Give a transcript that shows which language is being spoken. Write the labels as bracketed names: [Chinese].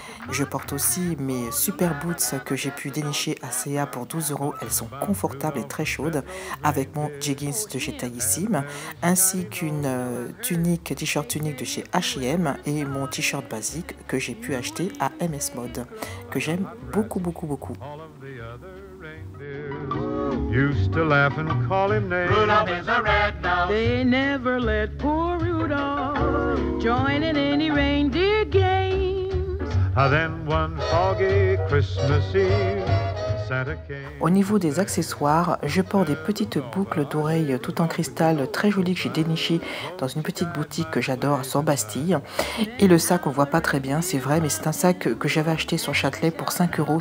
[French] Je porte aussi mes super boots que j'ai pu dénicher à CA pour 12 €. Elles sont confortables et très chaudes, avec mon jeggings de chez Taillissime, ainsi qu'une tunique, t-shirt tunique de chez H&M et mon t-shirt basique que j'ai pu acheter à MS Mode, que j'aime beaucoup, beaucoup, beaucoup. [English] Used to laugh and call him names. Rudolph is a red nose. They never let poor Rudolph join in any reindeer games. Then one foggy Christmas Eve. [French] Au niveau des accessoires, je porte des petites boucles d'oreilles tout en cristal très jolies que j'ai dénichées dans une petite boutique que j'adore sur Bastille. Et le sac, on ne voit pas très bien, c'est vrai, mais c'est un sac que j'avais acheté sur Châtelet pour 5 €.